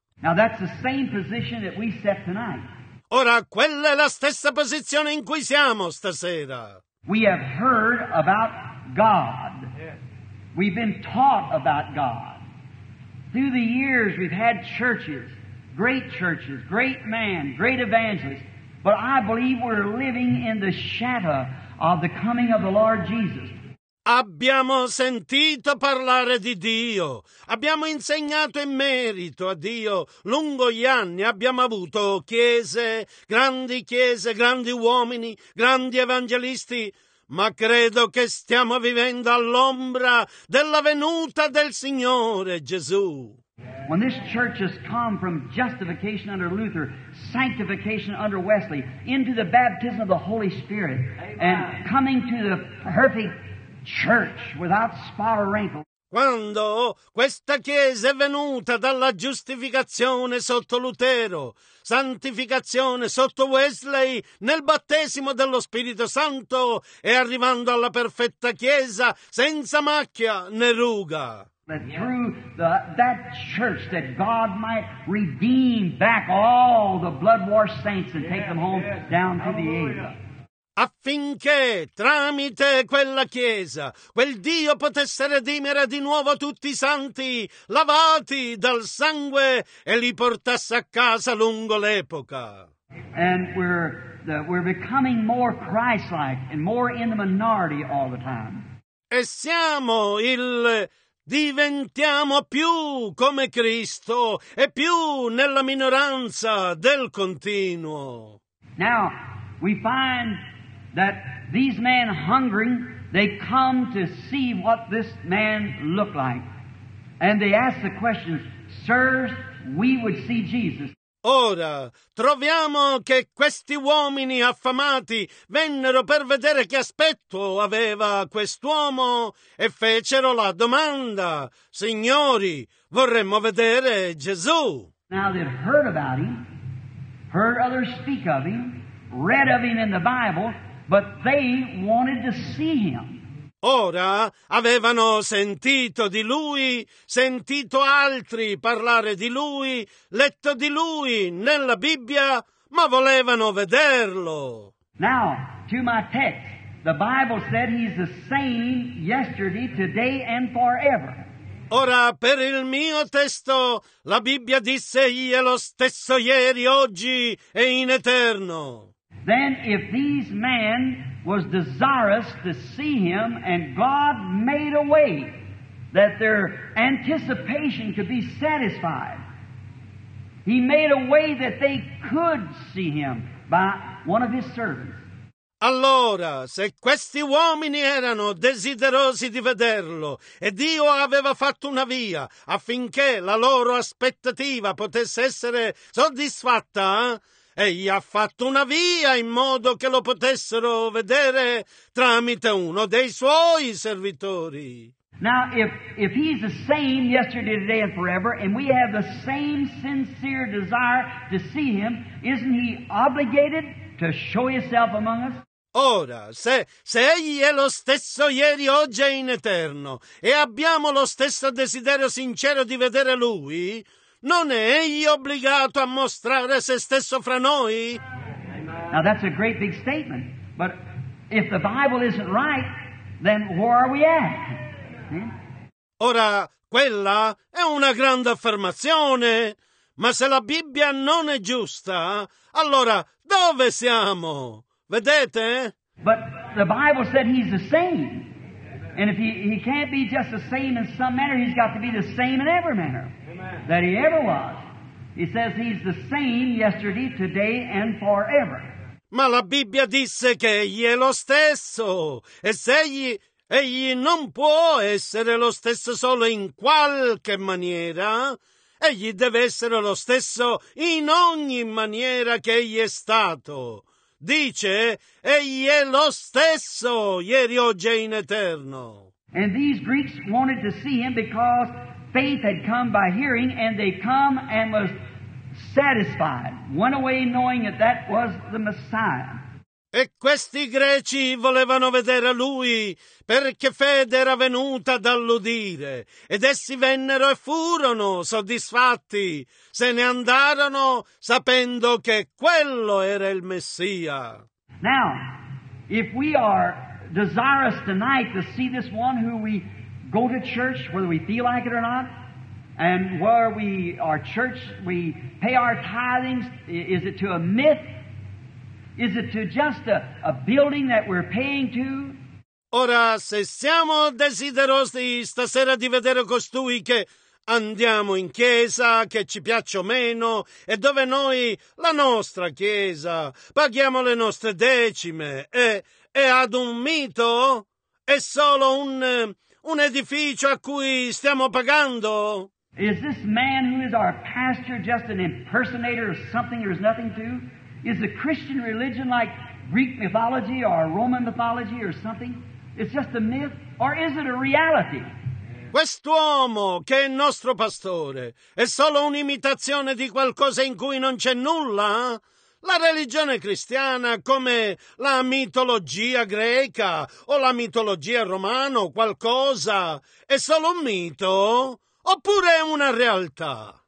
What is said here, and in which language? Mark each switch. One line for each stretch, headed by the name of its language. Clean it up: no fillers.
English: Now that's the same position that we set tonight.
Italian: Ora quella è la stessa posizione in cui siamo stasera.
English: We have heard about God. Yes. We've been taught about God. Through the years we've had churches, great man, great evangelists. But I believe we're living in the shadow of the coming of the Lord Jesus.
Italian: Abbiamo sentito parlare di Dio, abbiamo insegnato in merito a Dio, lungo gli anni abbiamo avuto chiese, grandi uomini, grandi evangelisti, ma credo che stiamo vivendo all'ombra della venuta del Signore Gesù.
English: When this church has come from justification under Luther, sanctification under Wesley, into the baptism of the Holy Spirit, and coming to the perfect church without spot or wrinkle.
Italian: Quando questa chiesa è venuta dalla giustificazione sotto Lutero, santificazione sotto Wesley, nel battesimo dello Spirito Santo, e arrivando alla perfetta chiesa senza macchia né ruga.
English: That through that church that God might redeem back all the blood-washed saints and take them home down to the age.
Italian: Affinché tramite quella chiesa, quel Dio potesse redimere di nuovo tutti i santi lavati dal sangue e li portasse a casa lungo l'epoca.
English: And we're becoming more Christ-like and more in the minority all the time.
Italian: E siamo il diventiamo più come Cristo e più nella minoranza del continuo.
English: Now we find that these men hungering, they come to see what this man looked like. And they ask the question, sirs, we would see Jesus.
Italian: Ora, troviamo che questi uomini affamati vennero per vedere che aspetto aveva quest'uomo e fecero la domanda, signori, vorremmo vedere Gesù.
English: Now they've heard about him, heard others speak of him, read of him in the Bible, but they wanted to see him.
Italian: Ora avevano sentito di lui, sentito altri parlare di lui, letto di lui nella Bibbia, ma volevano vederlo.
English: Now, to my text. The Bible said he's the same yesterday, today and forever.
Italian: Ora, per il mio testo, la Bibbia disse egli è lo stesso ieri, oggi e in eterno.
English: Then if these men was desirous to see him and God made a way that their anticipation could be satisfied. He made a way that they could see him by one of his servants.
Italian: Allora, se questi uomini erano desiderosi di vederlo e Dio aveva fatto una via affinché la loro aspettativa potesse essere soddisfatta, egli ha fatto una via in modo che lo potessero vedere tramite uno dei suoi servitori.
English: Now, if he's the same yesterday, today, and forever, and we have the same sincere desire to see him, isn't he obligated to show himself among us?
Italian: Ora, se egli è lo stesso ieri, oggi e in eterno, e abbiamo lo stesso desiderio sincero di vedere lui, non è egli obbligato a mostrare se stesso fra noi?
English: Now that's a great big statement, but if the Bible isn't right, then where are we at?
Italian: Ora, quella è una grande affermazione, ma se la Bibbia non è giusta, allora dove siamo? Vedete?
English: But the Bible said he's the same. And if he can't be just the same in some manner, he's got to be the same in every manner. Amen. That he ever was. He says he's the same yesterday, today and forever.
Italian: Ma la Bibbia disse che egli è lo stesso. E se egli non può essere lo stesso solo in qualche maniera, egli deve essere lo stesso in ogni maniera che egli è stato. Dice, egli è lo stesso, ieri, oggi e in eterno.
English: And these Greeks wanted to see him because faith had come by hearing, and they come and was satisfied, went away knowing that that was the Messiah.
Italian: E questi Greci volevano vedere lui perché fede era venuta dall'udire, ed essi vennero e furono soddisfatti, se ne andarono sapendo che quello era il Messia.
English: Now, if we are desirous tonight to see this one who we go to church, whether we feel like it or not, and where we are church, we pay our tithings, is it to a myth? Is it to just a building that we're paying to?
Italian: Ora, se siamo desiderosi stasera di vedere costui che andiamo in chiesa, che ci piaccia o meno, e dove noi, la nostra chiesa, paghiamo le nostre decime, e ad un mito? È solo un edificio a cui stiamo pagando?
English: Is this man who is our pastor just an impersonator of something there's nothing to? Is the Christian religion like Greek mythology or Roman mythology or something? It's just a myth? Or is it a reality?
Italian: Quest'uomo che è nostro pastore è solo un'imitazione di qualcosa in cui non c'è nulla? La religione cristiana come la mitologia greca o la mitologia romana o qualcosa è solo un mito oppure è una realtà?